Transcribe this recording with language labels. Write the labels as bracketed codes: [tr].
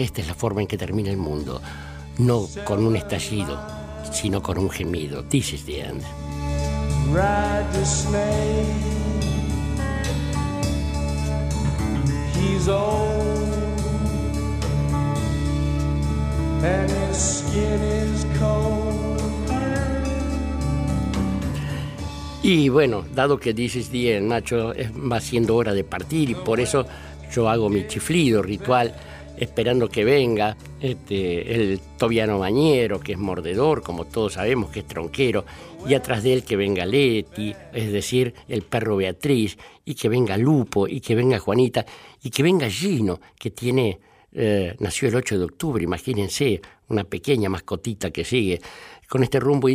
[es] Esta es la forma en que termina el mundo, no con un estallido, sino con un gemido. [en] This is the end. Ride the snake, he's old and his skin is cold. [es] Y bueno, dado que [en] This is the end, [es] Nacho, va siendo hora de partir, y por eso yo hago mi chiflido ritual esperando que venga el Tobiano Bañero, que es mordedor, como todos sabemos, que es tronquero, y atrás de él que venga Leti, es decir, el perro Beatriz, y que venga Lupo, y que venga Juanita, y que venga Gino, que tiene nació el 8 de octubre, imagínense, una pequeña mascotita que sigue con este rumbo.